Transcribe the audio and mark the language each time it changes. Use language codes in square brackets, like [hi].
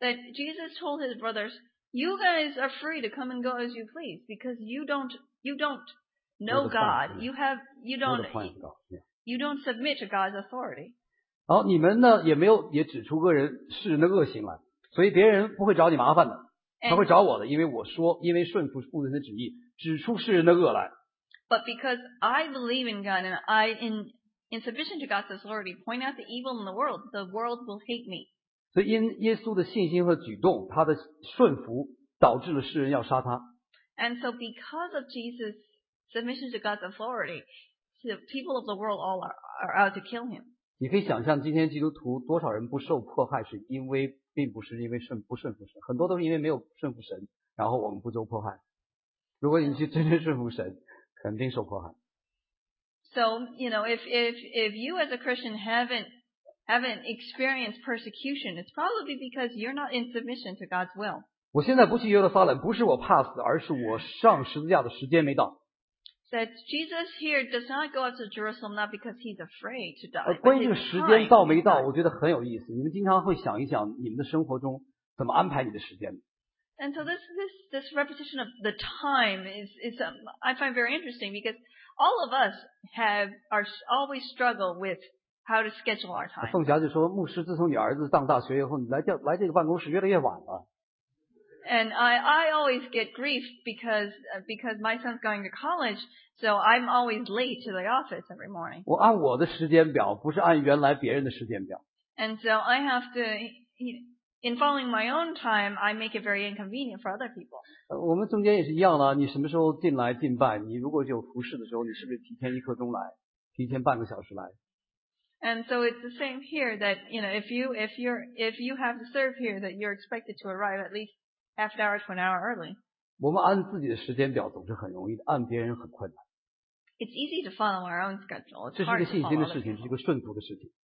[en] That Jesus told his brothers, "You guys are free to come and go as you please because you don't." No God, you don't submit to God's authority. [zh] 然后你们呢也没有也指出个人世人的恶行来，所以别人不会找你麻烦的，他会找我的，因为我说，因为顺服父神的旨意，指出世人的恶来。 [en] But because I believe in God and I in submission to God's authority point out the evil in the world will hate me. [zh] 所以因耶稣的信心和举动，他的顺服导致了世人要杀他。 [en] And so because of Jesus. Submission to God's authority, the people of the world all are out to kill him. [zh] 你可以想象今天基督徒多少人不受迫害，是因为并不是因为不顺服神，很多都是因为没有顺服神，然后我们不受迫害。如果你去真正顺服神，肯定受迫害。 [en] So you know, if you as a Christian haven't experienced persecution, it's probably because you're not in submission to God's will. [zh] 我现在不去耶路撒冷，不是我怕死，而是我上十字架的时间没到。 [en] That Jesus here does not go up to Jerusalem not because he's afraid to die. [zh] 关于这个时间到没到，我觉得很有意思。你们经常会想一想，你们的生活中怎么安排你的时间 [en] ？And so this repetition of the time is I find very interesting because all of us are always struggle with how to schedule our time. [zh] 凤霞就说：“牧师，自从你儿子上大学以后，你来这个办公室越来越晚了。” [en] And I always get grief because my son's going to college, so I'm always late to the office every morning. [zh] 我按我的时间表，不是按原来别人的时间表。 [en] And so I have to In following my own time, I make it very inconvenient for other people. [zh] 我们中间也是一样的，你什么时候进来敬拜，你如果有服事的时候，你是不是提前一刻钟来，提前半个小时来？ [en] And so it's the same here that, you know, if you have to serve here, that you're expected to arrive at least half an hour to an hour early. [zh] 我们按自己的时间表总是很容易，按别人很困难。 [en] It's easy to follow our own schedule. [zh] 这是一个信心的事情，是一个顺服的事情。